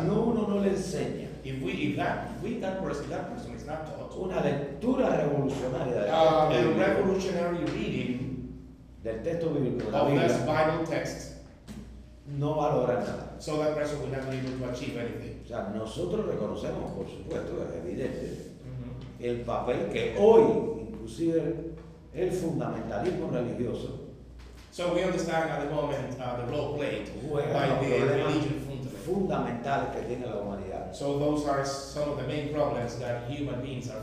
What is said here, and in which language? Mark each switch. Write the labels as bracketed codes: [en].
[es] Si no, uno no le enseña. [en] If that person is not taught. [es] Una lectura revolutionaria. [en] A revolutionary reading. [es] Del texto bíblico. [en] Of this Bible text. [es] No va a lograr nada. [en] So that person will not be able to achieve anything. [es] O sea, nosotros reconocemos, por supuesto, es evidente, el papel que hoy, inclusive, el fundamentalismo religioso. [en] So we understand at the moment the role played by the religion [es] fundamental que tiene la humanidad. [en] So those are some of the main problems that human beings are